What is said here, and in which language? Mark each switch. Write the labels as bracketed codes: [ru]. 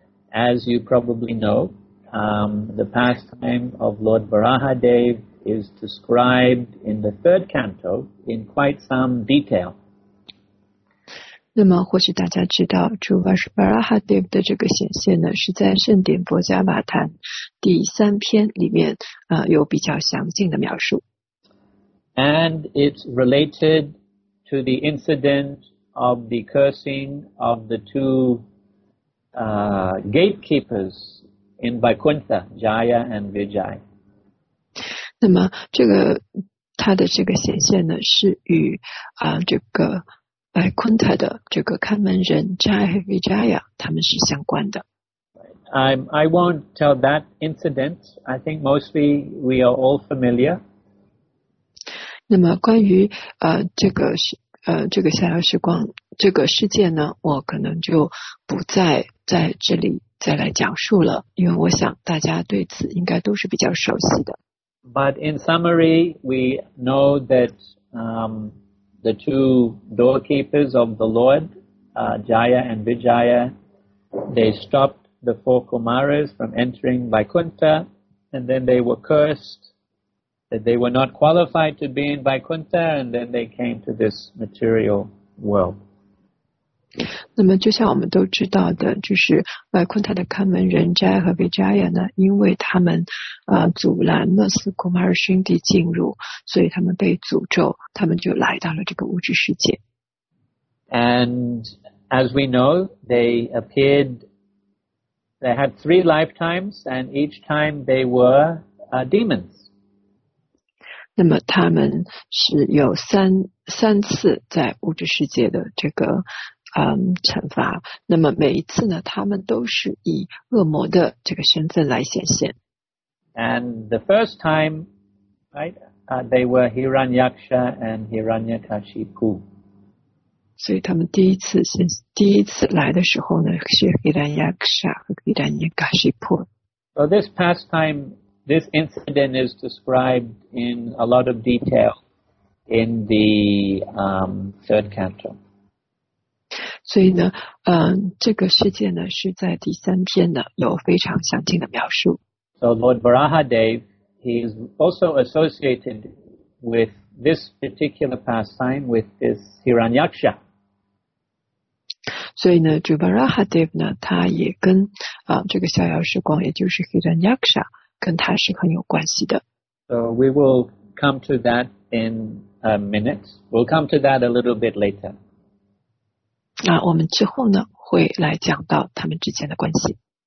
[en] As you probably know, the pastime of Lord Varahadev is described in the third canto in quite some detail. [zh] 那么或许大家知道主 Varahadev 的这个显现呢是在圣典薄伽瓦坛第三篇里面有比较详尽的描述。 [en] And it's related to the incident of the cursing of the two gatekeepers in Vaikuntha, Jaya and Vijay. [zh] 那么这个他的这个显现呢是与这个白昆塔的这个看门人 Jaya Vijaya 他们是相关的。 [en] I won't tell that incident. I think mostly we are all familiar. [zh] 那么关于这个逍遥时光这个事件呢，我可能就不再在这里再来讲述了，因为我想大家对此应该都是比较熟悉的。 [en] But in summary, we know that the two doorkeepers of the Lord, Jaya and Vijaya, they stopped the four Kumaras from entering Vaikuntha, and then they were cursed that they were not qualified to be in Vaikuntha, and then they came to this material world. [zh] 那么就像我们都知道的，就是 Vaikuntha 的看门人 Jaya 和 Vijaya 呢，因为他们阻拦了四 Kumar 兄弟进入，所以他们被诅咒，他们就来到了这个物质世界。 [en] And as we know, they had three lifetimes, and each time they were demons. [zh] 那么他们是有三次在物质世界的这个惩罚，那么每一次呢，他们都是以恶魔的这个身份来显现。 [en] And the first time, right, they were Hiranyaksha and Hiranyakashipu. [zh] 所以他们第一次来的时候呢，是 Hiranyaksha 和 Hiranyakashipu。 [en] So this pastime, this incident is described in a lot of detail in the third canto. [zh] 所以呢，这个事件呢是在第三篇呢有非常详尽的描述。 [en] So Lord Varahadev, he is also associated with this particular pastime with this Hiranyaksha. [zh] 所以呢，主 Varahadev 呢，他也跟这个逍遥时光，也就是 Hiranyaksha， 跟他是很有关系的。 [en] So we will come to that in a minute. We'll come to that a little bit later. [zh] 那我们之后呢，会来讲到他们之间的关系。